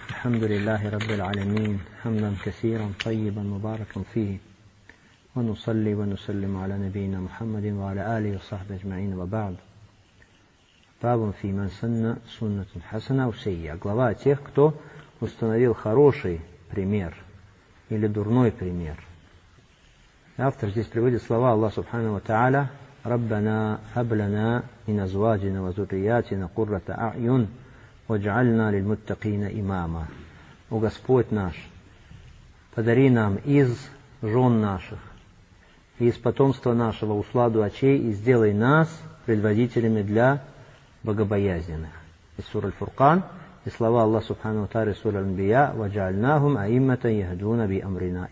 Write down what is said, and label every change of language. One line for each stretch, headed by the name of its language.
Arabic: الحمد لله رب العالمين، حمدا كثيرا طيبا مباركا فيه، ونصلي ونسلم على نبينا محمد وعلى آله وصحبه أجمعين، وبعد. باب في من سن سنة حسنة وسيئة.
Russian: глава тех, кто установил хороший пример или дурной пример. автор здесь приводит слова Аллаха
Arabic: سبحانه وتعالى: ربنا هب لنا من أزواجنا وذرياتنا قرة أعين وجعلنا للمتقين إماما.
Russian: О Господь наш, подари нам из жен наших и из потомства нашего усладу очей и сделай нас предводителями для богобоязненных. Из сура Аль-Фуркан и слова Аллаха Субхану ва Тааля из сура Аль-Анбия:
Arabic: وجعلناهم أئمة يهدون بأمرنا.